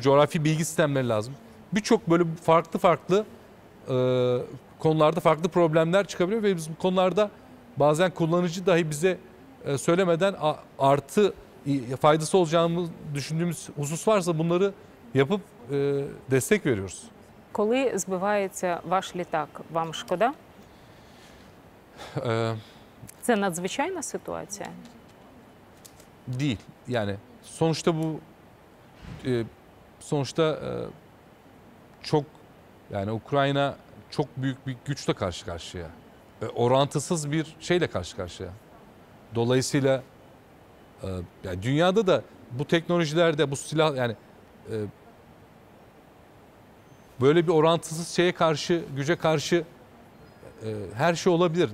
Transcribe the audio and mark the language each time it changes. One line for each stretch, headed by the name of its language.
Turkish: Coğrafi bilgi sistemleri lazım. Birçok böyle farklı farklı konularda farklı problemler çıkabiliyor ve biz bu konularda bazen kullanıcı dahi bize söylemeden artı faydası olacağını düşündüğümüz husus varsa bunları yapıp destek veriyoruz.
Ukrainian: Коли збивається ваш літак, вам шкода? Це надзвичайна ситуація?
Turkish: Değil. Yani sonuçta bu sonuçta çok yani Ukrayna çok büyük bir güçle karşı karşıya. Orantısız bir şeyle karşı karşıya. Dolayısıyla yani dünyada da bu teknolojilerde bu silah yani böyle bir orantısız şeye karşı, güce karşı her şey olabilir.